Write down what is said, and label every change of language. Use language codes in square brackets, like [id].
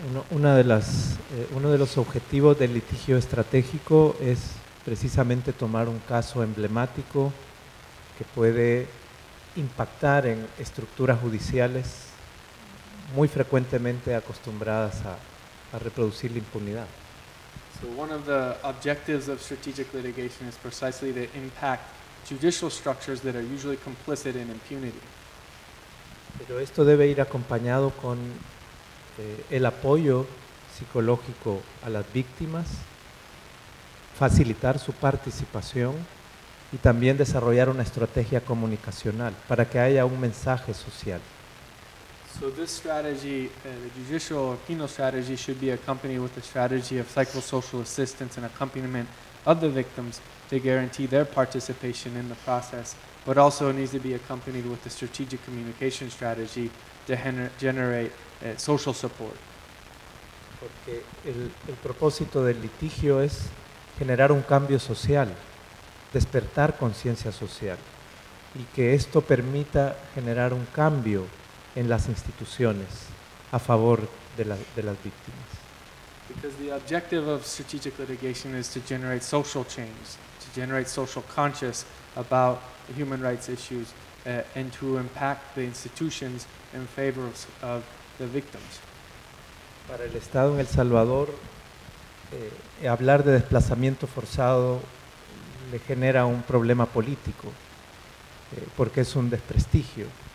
[es] Uno de los objetivos del litigio estratégico es precisamente tomar un caso emblemático que puede impactar en estructuras judiciales muy frecuentemente acostumbradas a reproducir la impunidad. [en] So one of the objectives of strategic litigation is precisely to impact judicial structures that are usually complicit in impunity. [es] Pero esto debe ir acompañado con el apoyo psicológico a las víctimas, facilitar su participación y también desarrollar una estrategia comunicacional para que haya un mensaje social. [en] So this strategy, the judicial or penal strategy, should be accompanied with a strategy of psychosocial assistance and accompaniment of the victims to guarantee their participation in the process, but also needs to be accompanied with a strategic communication strategy to generate social support. [es] Porque el propósito del litigio es generar un cambio social, despertar conciencia social, y que esto permita generar un cambio en las instituciones a favor de las víctimas. [en] Because the objective of strategic litigation is to generate social change, to generate social conscious about human rights issues, and to impact the institutions in favor of the victims. [es] Para el Estado en El Salvador, hablar de desplazamiento forzado le genera un problema político, porque es un desprestigio.